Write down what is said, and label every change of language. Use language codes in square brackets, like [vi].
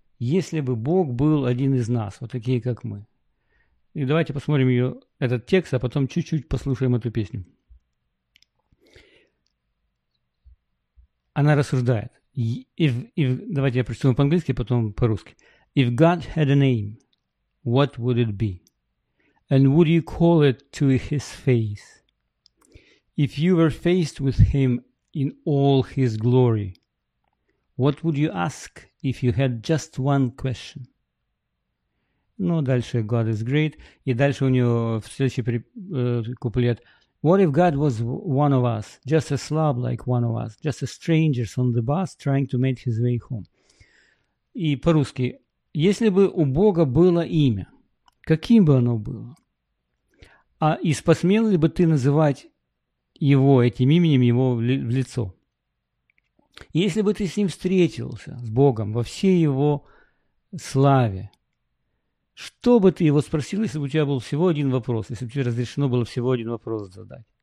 [ru] если бы Бог был один из нас, вот такие, как мы. И давайте посмотрим ее, этот текст, а потом чуть-чуть послушаем эту песню. Она рассуждает. Давайте я прочту по-английски, потом по-русски. [en] If God had a name, what would it be? And would you call it to his face? If you were faced with him in all his glory, what would you ask if you had just one question? [ru] Ну, дальше God is great. И дальше у нее в следующий куплет. [en] What if God was one of us, just a slob like one of us, just a stranger on the bus trying to make his way home? [ru] И по-русски. Если бы у Бога было имя, каким бы оно было? А и посмел ли бы ты называть его этим именем, его в лицо? Если бы ты с ним встретился, с Богом, во всей его славе, что бы ты его спросил, если бы у тебя был всего один вопрос, если бы тебе разрешено было всего один вопрос задать?